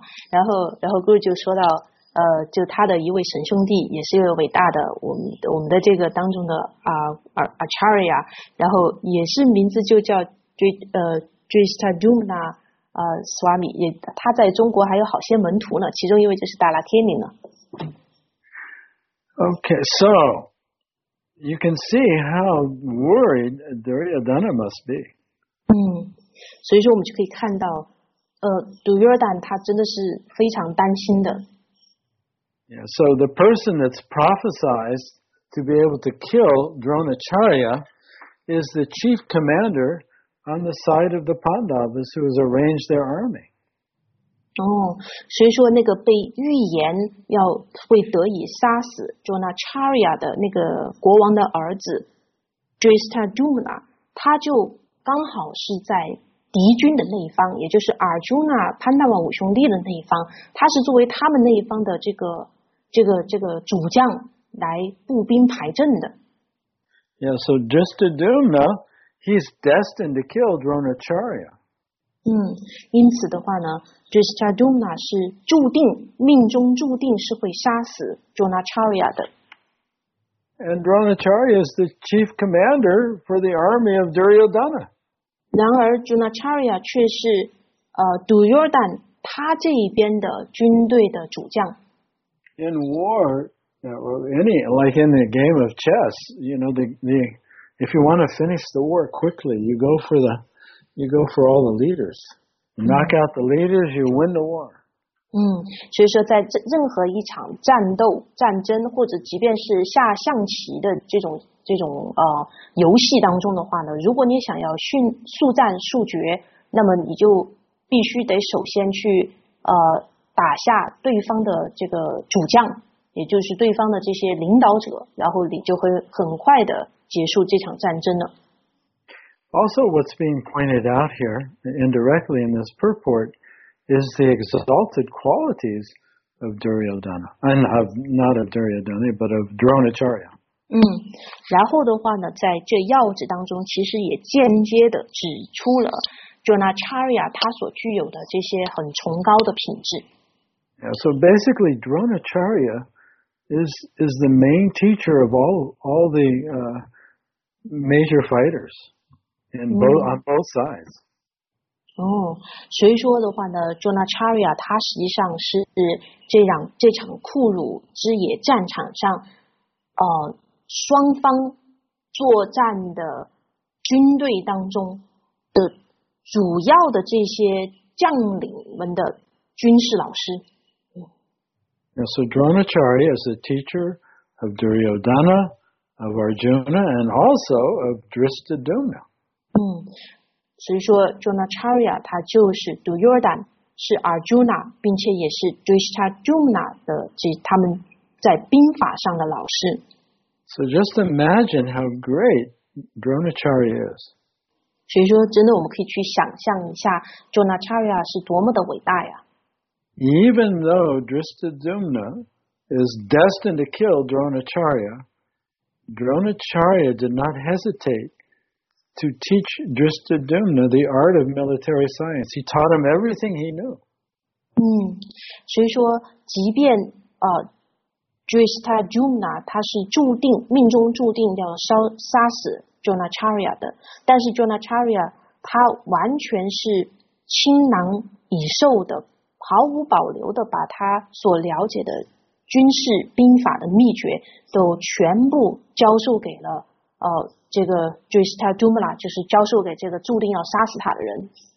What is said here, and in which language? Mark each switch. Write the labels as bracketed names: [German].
[Chinese] 然后Guru 就说到，就他的一位神兄弟，也是一位伟大的我们的这个当中的acharya， 然后也是名字就叫Drishtadyumna。 Swami 也，他在中国还有好些门徒呢，其中一位就是达拉天尼呢。 [English] Okay, so you can see how worried Duryodhana must be. [Chinese] 所以说我们就可以看到，Duryodhana 他真的是非常担心的。 [English] Yeah, so the person that's prophesized to be able to kill Dronacharya is the chief commander on the side of the Pandavas who has arranged their army. [Chinese] 所以说那个被预言要会得以杀死 Dronacharya 的那个国王的儿子 Drishtadyumna， 他就刚好是在敌军的那一方，也就是 Arjuna 潘大王五兄弟的那一方，他是作为他们那一方的这个主将来步兵排阵的。 [English] Yeah, so Drishtadyumna, he's destined to kill Dronacharya. [Chinese] 因此的话呢 ，Drishtadyumna 是注定命中注定是会杀死 Dronacharya 的。 [English] And Dronacharya is the chief commander for the army of Duryodhana. [Chinese] 然而 ，Dronacharya 却是Duryodhana 他这一边的军队的主将。 [English] In war, like in the game of chess, you know If you want to finish the war quickly, you go for all the leaders. Knock out the leaders, you win the war. [Chinese] 所以说在任何一场战争或者即便是下象棋的这种游戏当中的话呢，如果你想要速战速决，那么你就必须得首先去打下对方的这个主将，也就是对方的这些领导者，然后你就会很快的结束这场战争了。 [English] Also, what's being pointed out here indirectly in this purport is the exalted qualities of Duryodhana, and of not of Duryodhana, but of Dronacharya. [Chinese] 然后的话呢，在这要旨当中，其实也间接的指出了 Dronacharya 他所具有的这些很崇高的品质。 [English] Yeah, so basically, Dronacharya is the main teacher of all the major fighters in both on both sides. [Chinese] 所以说的话呢 ，Dronacharya 他实际上是这场库鲁之野战场上，双方作战的军队当中的主要的这些将领们的军事老师。 [English] Yeah, so Dronacharya is the teacher of Duryodhana, of Arjuna, and also of Drishtadyumna. [Chinese] 所以说 Dronacharya 他就是 Duryodhana, 是 Arjuna, 并且也是 Drishtadyumna 的即他们在兵法上的老师。 [English] So just imagine how great Dronacharya is. [Chinese] 所以说真的我们可以去想象一下 Dronacharya 是多么的伟大呀。 [English] Even though Drishtadyumna is destined to kill Dronacharya, Dronacharya did not hesitate to teach Drishtadyumna the art of military science. He taught him everything he knew. [Chinese] 所以说即便Drishtadyumna 他是注定命中注定要杀死 Dronacharya 的，但是 Dronacharya 他完全是倾囊以授的，毫无保留的把他所了解的军事兵法的秘诀都全部教授给了这个 Drishtadyumna， 就是教授给这个注定要杀死他的人。